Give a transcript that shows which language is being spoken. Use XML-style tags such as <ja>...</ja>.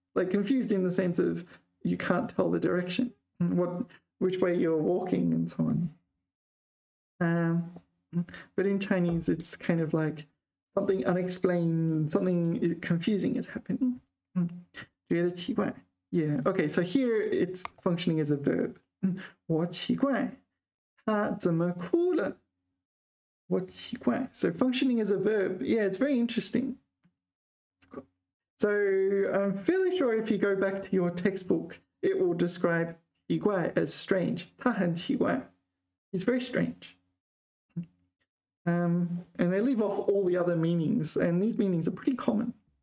<en>Like, confused in the sense of you can't tell the direction, which way you're walking and so on. But in Chinese, it's kind of like something unexplained, something confusing is happening.</en> <zh>觉得奇怪.</zh> <en>Yeah, okay, so here it's functioning as a verb.</en> <zh>我奇怪,他怎么哭了?我奇怪.</zh> <en>So functioning as a verb, yeah, it's very interesting. So I'm fairly sure if you go back to your textbook, it will describe 奇怪 as strange.</en> <zh>他很奇怪.</zh> <en>He's very strange. And they leave off all the other meanings, and these meanings are pretty common.</en>